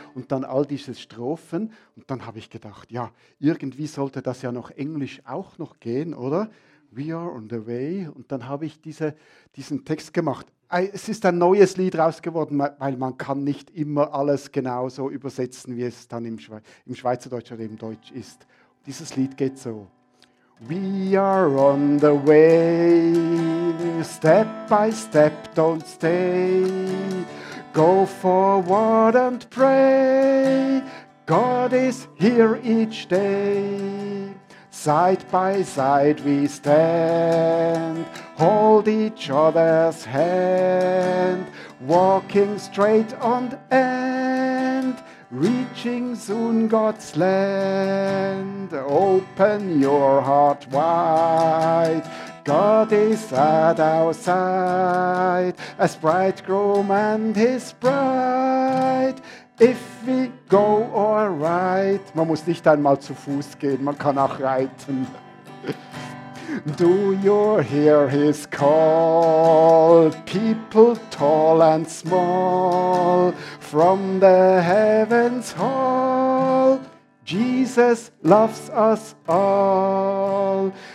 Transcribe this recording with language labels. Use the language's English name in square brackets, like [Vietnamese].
[German] Und dann all diese Strophen. Und dann habe ich gedacht, ja, irgendwie sollte das ja noch Englisch auch noch gehen, oder? [English] We are on the way. [German] Und dann habe ich diesen Text gemacht. Es ist ein neues Lied rausgeworden, weil man kann nicht immer alles genauso übersetzen, wie es dann im Schweizerdeutsch oder im Deutsch ist. Und dieses Lied geht so. [English] We are on the way, step by step, don't stay. Go forward and pray, God is here each day. Side by side we stand, hold each other's hand. Walking straight on end, reaching soon God's land. Open your heart wide, God is at our side, as bridegroom and his bride. If we go or ride, [German] man muss nicht einmal zu Fuß gehen, man kann auch reiten. [English] Do you hear his call? People tall and small, from the heaven's hall, Jesus loves us all.